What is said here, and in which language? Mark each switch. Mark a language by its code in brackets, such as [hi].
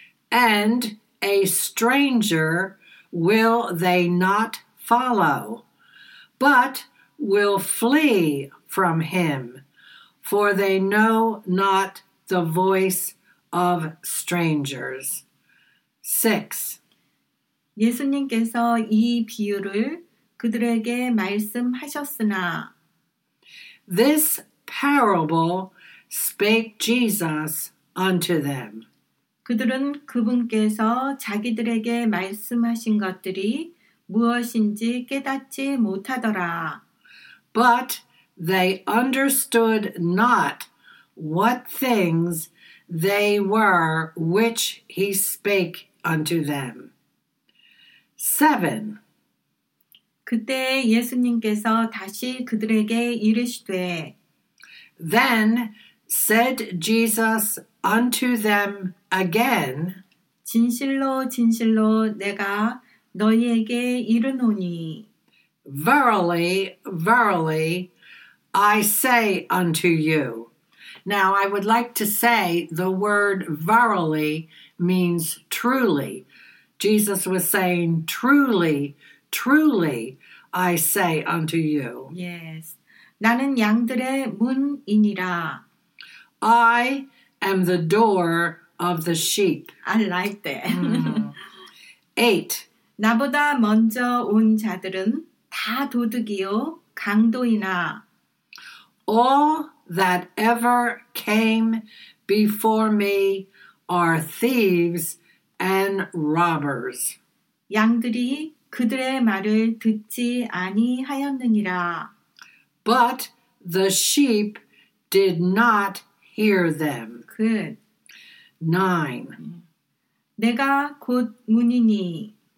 [en] And a stranger will they not follow, but will flee from him, for they know not the voice of strangers. 6. [ko] 예수님께서 이 비유를 그들에게 말씀하셨으나 [en] This parable spake Jesus unto them. [ko] 그들은 그분께서 자기들에게 말씀하신 것들이 무엇인지 깨닫지 못하더라. [en] But they understood not what things they were which he spake unto them. 7. [ko] 그때 예수님께서 다시 그들에게 이르시되 [en] Then said Jesus unto them again, [ko] 진실로 진실로 내가 너희에게 이르노니 [en] Verily, verily, I say unto you. Now, I would like to say the word verily means truly. Jesus was saying, truly, truly, I say unto you. [ko] Yes. 나는 양들의 문이니라. [en] I am the door of the sheep. I like that. 8. [ko] 나보다 먼저 온 자들은 다 도둑이요, 강도이나. [en] All that ever came before me are thieves and robbers. [ko] 양들이 그들의 말을 듣지 아니하였느니라. [en] But the sheep did not hear them. Good. 9. [ko] 내가 곧 문이니.